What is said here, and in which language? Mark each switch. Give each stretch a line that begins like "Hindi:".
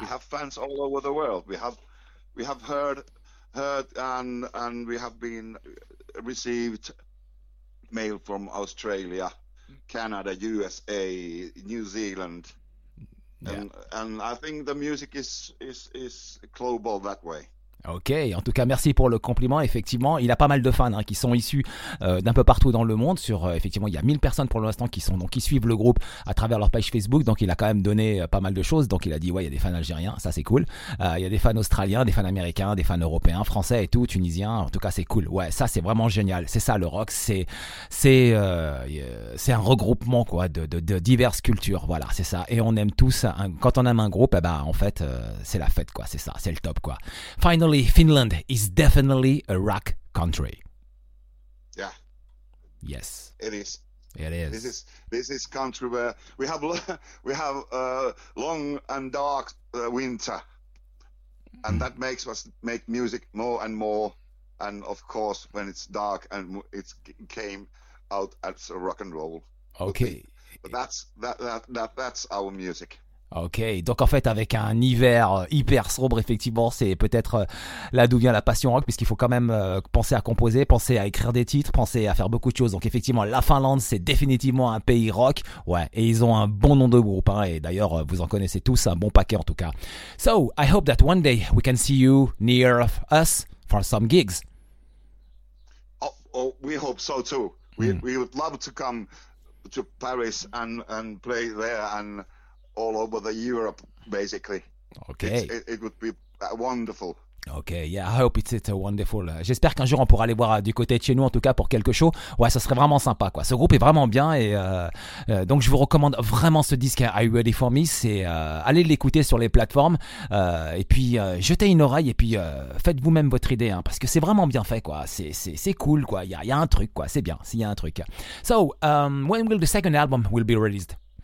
English: We have fans all over the world. We have we have heard and we have been received mail from Australia, Canada, USA, New Zealand. Yeah. And I think the music is global that way.
French: Ok, en tout cas merci pour le compliment. Effectivement, il a pas mal de fans hein, qui sont issus d'un peu partout dans le monde. Sur effectivement, il y a 1000 personnes pour l'instant qui sont donc qui suivent le groupe à travers leur page Facebook. Donc il a quand même donné pas mal de choses. Donc il a dit ouais, il y a des fans algériens, ça c'est cool. Il y a des fans australiens, des fans américains, des fans européens, français et tout, tunisiens. En tout cas, c'est cool. Ouais, ça c'est vraiment génial. C'est ça le rock, c'est un regroupement quoi de diverses cultures. Voilà, c'est ça. Et on aime tous. Quand on aime un groupe, c'est la fête quoi. C'est ça, c'est le top quoi.
English: Finally. Finland is definitely a rock country. Yeah. Yes. It is. It is. This is country where we have a long and dark winter, and that makes us make music more and more. And of course, when it's dark and it came out as a rock and roll. Okay. But that's our music.
French: Ok, donc en fait avec un hiver hyper sombre, effectivement, c'est peut-être là d'où vient la passion rock, puisqu'il faut quand même penser à composer, penser à écrire des titres, penser à faire beaucoup de choses. Donc effectivement, la Finlande, c'est définitivement un pays rock, ouais, et ils ont un bon nom de groupe, hein, et d'ailleurs, vous en connaissez tous, un bon paquet en tout cas.
English: So, I hope that one day we can see you near us for some gigs. Oh, we hope so too. We would love to come to Paris and play there and all over the Europe, basically. Okay. It would be wonderful. Okay, yeah, I hope it's a wonderful.
French: J'espère qu'un jour on pourra aller voir du côté de chez nous, en tout cas pour quelque chose. Ouais, ça serait vraiment sympa, quoi. Ce groupe est vraiment bien et donc je vous recommande vraiment ce disque Are You Ready For Me. C'est allez l'écouter sur les plateformes et puis jetez une oreille et puis faites vous-même votre idée, hein, parce que c'est vraiment bien fait, quoi. C'est cool, quoi. Il y a un truc, quoi. C'est bien, s'il y a un truc.
English: So, when will the second album will be released?